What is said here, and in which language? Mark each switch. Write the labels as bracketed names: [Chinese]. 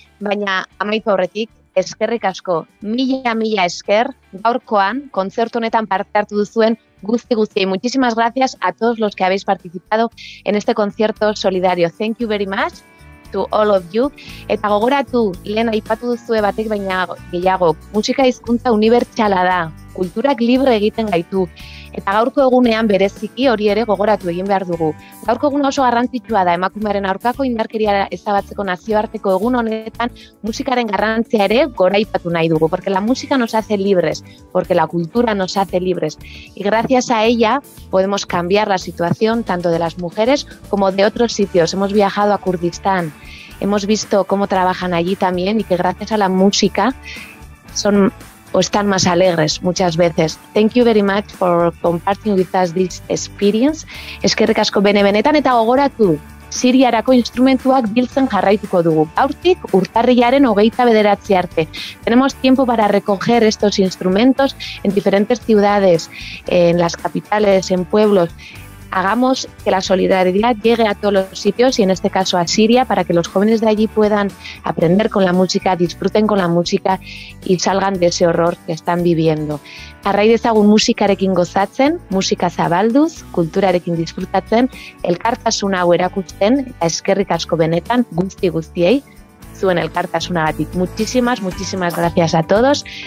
[Basque] Baina amaitu horretik, eskerrik asko, mila esker gaurkoan kontzertu honetan parte hartu duzuen guzti. [Spanish] Muchísimas gracias a todos los que habéis participado en este concierto solidario. [English] Thank you very much to all of you. [Basque] Eta gogoratu, lehen aipatu duzue batek baina gehiago, musika hizkuntza unibertsala da. Kulturak libre egiten gaitu. Eta gaurko egunean bereziki hori ere gogoratu egin behar dugu. Gaurko eguna oso garrantzitsua da emakumearen aurkako indarkeria ezabatzeko nazioarteko egun honetan musikaren garrantzia ere goraipatu nahi dugu. [Spanish] Porque la música nos hace libres, porque la cultura nos hace libres. Y gracias a ella podemos cambiar la situación tanto de las mujeres como de otros sitios. Hemos viajado a Kurdistán, hemos visto cómo trabajan allí también y que gracias a la música son... o están más alegres muchas veces. [English] Thank you very much for compartiing with us this experience. [Basque] Eskerrik asko benetan eta gogoratu, Siriarako instrumentuak biltzen jarraituko dugu. Gaurtik urtarrilaren 29 arte. [Spanish] Tenemos tiempo para recoger estos instrumentos en diferentes ciudades, en las capitales, en pueblos. Hagamos que la solidaridad llegue a todos los sitios y en este caso a Siria para que los jóvenes de allí puedan aprender con la música, disfruten con la música y salgan de ese horror que están viviendo. [Basque] Jarrai dezagun musikarekin gozatzen, musika zabalduz, kulturarekin disfrutatzen, elkartasuna hau erakusten, eta eskerrik asko benetan guztiei zuen elkartasunagatik. [Spanish] Muchísimas gracias a todos.